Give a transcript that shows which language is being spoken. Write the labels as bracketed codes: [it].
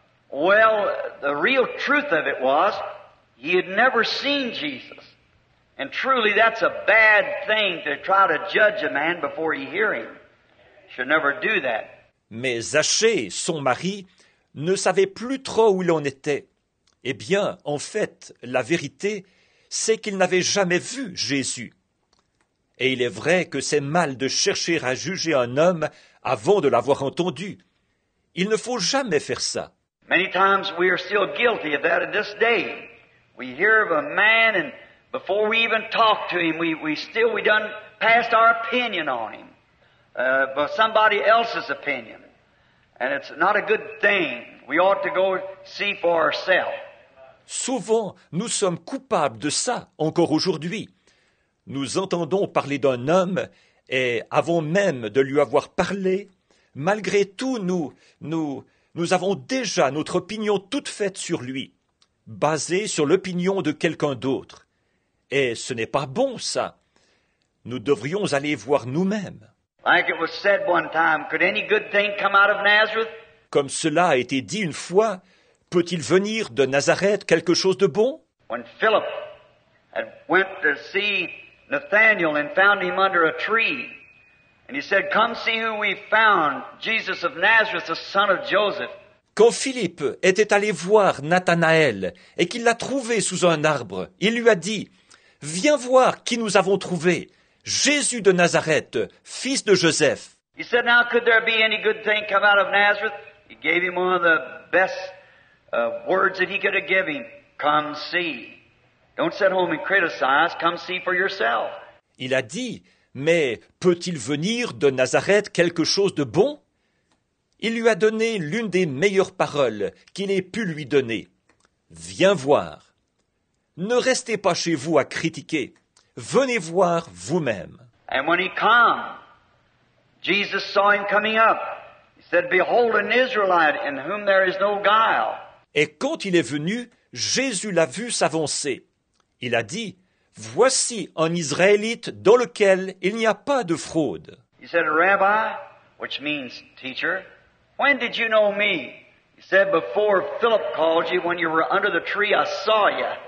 [en] Well, the real truth of it was, he had never seen Jesus. And truly, that's a bad thing to try to judge a man before you hear him. You should never do that. [fr] Mais Zachée, son mari, ne savait plus trop où il en était. Eh bien, en fait, la vérité, c'est qu'il n'avait jamais vu Jésus. Et il est vrai que c'est mal de chercher à juger un homme avant de l'avoir entendu. Il ne faut jamais faire ça. [en] Many times we are still guilty of that in this day. We hear of a man and before we even talk to him, we done passed our opinion on him. But somebody else's opinion. And it's not a good thing. We ought to go see for ourselves. [fr] Souvent, nous sommes coupables de ça encore aujourd'hui. nous entendons parler d'un homme et avant même de lui avoir parlé, malgré tout, nous avons déjà notre opinion toute faite sur lui, basée sur l'opinion de quelqu'un d'autre. Et ce n'est pas bon, ça. Nous devrions aller voir nous-mêmes. [en] Like it was said one time, could any good thing come out of Nazareth? [fr] Comme cela a été dit une fois, peut-il venir de Nazareth quelque chose de bon? [en] When Philip had went to see Nathanael and found him under a tree, and he said, "Come see who we found, Jesus of Nazareth, the son of Joseph." [fr] Quand Philippe était allé voir Nathanaël et qu'il l'a trouvé sous un arbre, il lui a dit, « Viens voir qui nous avons trouvé, Jésus de Nazareth, fils de Joseph. » [en] He said, "Now could there be any good thing come out of Nazareth?" He gave him one of the best words that he could have given, "Come see." Don't sit home and criticize, come see for yourself. [fr] Il a dit, « Mais peut-il venir de Nazareth quelque chose de bon ?» Il lui a donné l'une des meilleures paroles qu'il ait pu lui donner. « Viens voir. Ne restez pas chez vous à critiquer. Venez voir vous-même. » [en] And when he came, Jesus saw him coming up. He said, "Behold an Israelite in whom there is no guile." [fr] Et quand il est venu, Jésus l'a vu s'avancer. Il a dit, « Voici un Israélite dans lequel il n'y a pas de fraude. » [en] He said, "Rabbi, which means teacher, when did you know me?" He said, "Before Philip called you, when you were under the tree, I saw you."